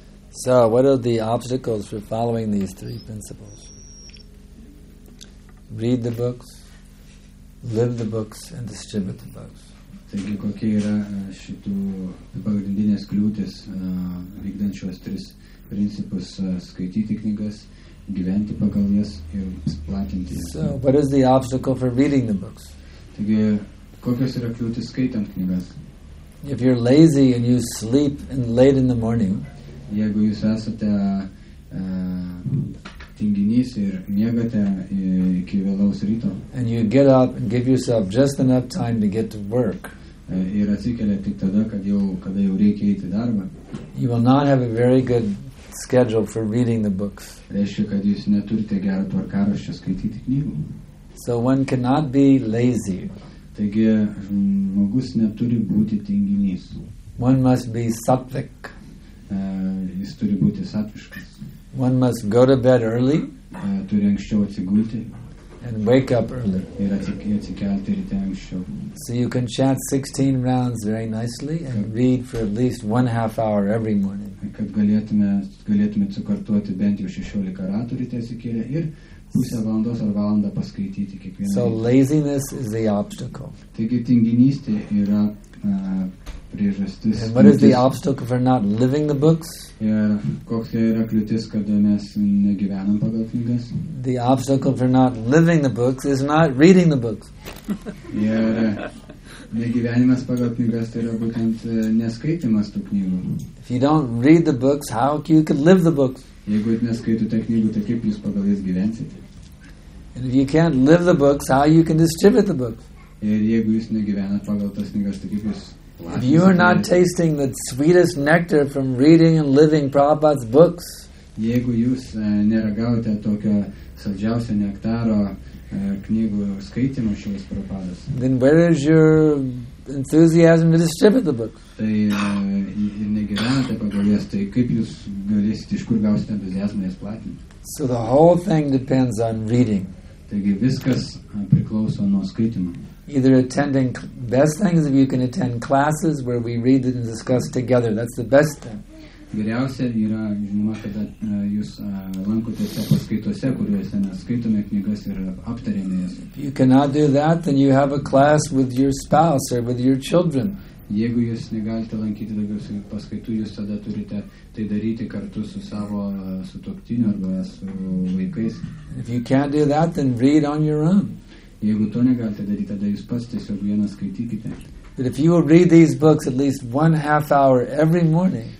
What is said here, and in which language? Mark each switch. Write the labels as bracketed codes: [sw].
[en] So, what are the obstacles for following these three principles? Read the books, live the books, and distribute the books. [lt] Taigi, kokie yra šitų pagrindinės kliūtis vykdant šios tris principus skaityti knygas, gyventi pagal jas ir platinti jas. [en] So, what is the obstacle for reading the books? [lt] Taigi, kokios yra kliūtis skaitant knygas? [en] If you're lazy and you sleep in late in the morning, [lt] jeigu jūs esate tinginys ir miegate iki vėlaus ryto, [en] and you get up and give yourself just enough time to get to work, [lt] ir atsikelia tik tada, kada jau reikia eiti darbą. [en] You will not have a very good schedule for reading the books. [lt] Reiškia, kad jūs neturite gerą tvarkaraščio skaityti knygų. [en] So one cannot be lazy. [lt] Taigi, žmogus neturi būti tinginys. [en] One must be sattvic. [lt] Jis turi būti sattviškas. [en] One must go to bed early. [lt] Turi anksčiau atsigulti. [en] And wake up early. [lt] Ir atsikelti ryte anksčiau. [en] So you can chant 16 rounds very nicely and read for at least 1.5 hour every morning. [lt] Kad galėtume sukartuoti bent jau 16 ratų ryte atsikėlę ir pusę valandos ar valandą paskaityti kiekvieną. [en] So laziness is the obstacle. [lt] Taigi tinginystė yra priežastis. [en] And what is the obstacle for not living the books? [lt] Koks yra kliūtis, kada mes negyvenam pagal knygas? [en] The obstacle for not living the books is not reading the books. [lt] Ir negyvenimas pagal knygas tai yra būtent neskaitimas tų knygų. [en] If you don't read the books, how can you live the books? [lt] Jeigu neskaitote knygų, tai kaip jūs pagal jas gyvensite? [en] And if you can't live the books, how you can distribute the books? [lt] Ir jeigu jūs negyvenat pagal tas knygas, tai kaip jūs [en] If you are not tasting the sweetest nectar from reading and living Prabhupada's books, [lt] jeigu jūs neragaujate tokio saldžiausio nektaro knygų skaitymo šios Prabhupados, [en] then where is your enthusiasm to distribute the book? [lt] Tai ir negyvenate pagal jas, tai kaip jūs galėsite, iš kur gausite entuziazmą jas platinti? [en] So the whole thing depends on reading. [lt] Taigi viskas priklauso nuo skaitymo. [en] Either attending, best thing is if you can attend classes where we read and discuss together. That's the best thing. [lt] Geriausia yra, žinoma, kada jūs lankotėse paskaitose, kuriuose mes skaitome knygas ir aptarėme jas. [en] If you cannot do that, then you have a class with your spouse or with your children. [lt] Jeigu jūs negalite lankyti daugiau paskaitų, jūs tada turite tai daryti kartu su savo sutuoktiniu arba su vaikais. [en] If you can't do that, then read on your own. [lt] Jeigu to negalite daryti, tada jūs pats tiesiog vieną skaitykite. [en] But if you will read these books at least one half hour every morning,